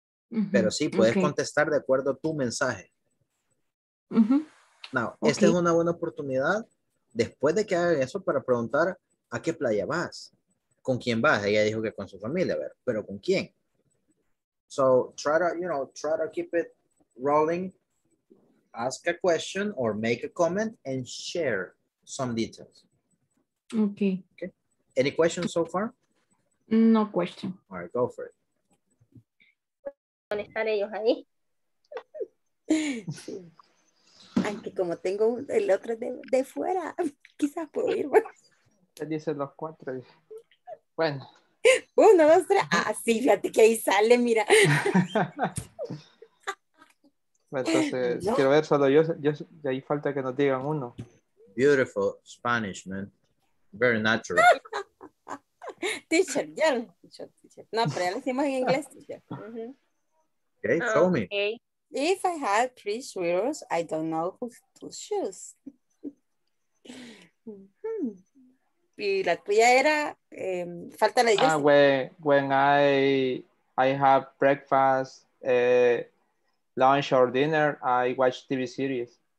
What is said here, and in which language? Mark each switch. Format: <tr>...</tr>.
<es>Uh-huh. Pero sí, puedes okay. contestar de acuerdo a tu mensaje. Uh-huh.</es> <en>Now, okay.</en> <es>Esta es una buena oportunidad después de que hagan eso para preguntar a qué playa vas, con quién vas. Ella dijo que con su familia, a ver, pero con quién.</es> <en>So try to, you know, try to keep it rolling. Ask a question or make a comment and share some details. Okay. Okay. Any questions so far? No question. All right, go for it.</en> <es>¿Dónde están ellos ahí? Aunque como tengo el otro de fuera, quizás puedo ir. Él dice los cuatro. Bueno. Uno, dos, tres. Ah, sí, fíjate que ahí sale, mira. Entonces, no. Quiero ver solo yo, y ahí falta que nos digan uno.</es> <en>Beautiful Spanish, man. Very natural.</en> <es>Teacher, ya lo escucho, teacher. No, pero ya lo hicimos en inglés, teacher.</es> <en>Uh-huh. Okay, show me. Okay. If I had three shoes, I don't know who to choose.</en> <es>Y la tuya era, falta la</es> <en>digestión. When I have breakfast, lunch or dinner, I watch TV series.</en>